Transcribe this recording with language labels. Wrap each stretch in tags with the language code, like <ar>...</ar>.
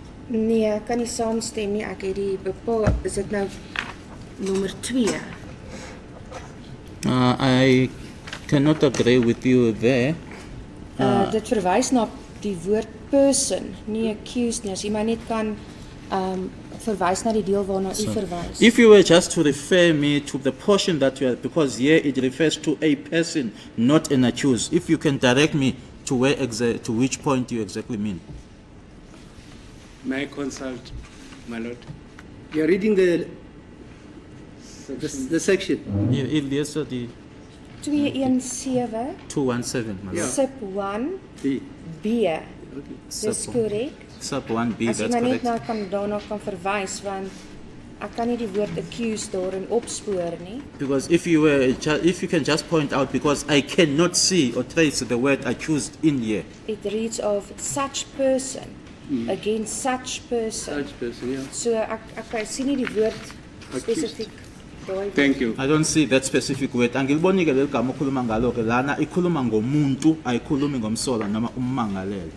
<af>Nee, ek kan nie saamstem nie. Ek het die bepaal, is dit nou nommer 2?</af> <en>I cannot agree with you there.</en> <af>Dit verwys na die woord person, nie accused nie. As jy maar net kan... verwys na die deel waarna u verwys.</af> <en>If you were just to refer me to the portion that you are, because here it refers to a person, not an accused. If you can direct me to where to which point you exactly mean. May I consult, my lord? You are reading the section. Yes, sir. 217. 217, my lord.</en> <af>Sub 1 B. Okay. Dis korrek.</af> <en>Sub 1B, that's correct.</en> <af>As jy net nou kan daarna kan verwys, want ek kan nie die woord accused daarin opspoor nie.</af> <en>Because if you were, if you can just point out, because I cannot see or trace the word accused in here. It reads of such person, against such person. Such person, yeah.</en> <af>So ek sien nie die woord spesifiek.</af> <en>Thank you. I don't see that specific word.</en> <zu>Angilibonike leligama okhuluma ngalo ke lana ikhuluma ngomuntu ayikhulumi ngomsola noma ummangalelo.</zu>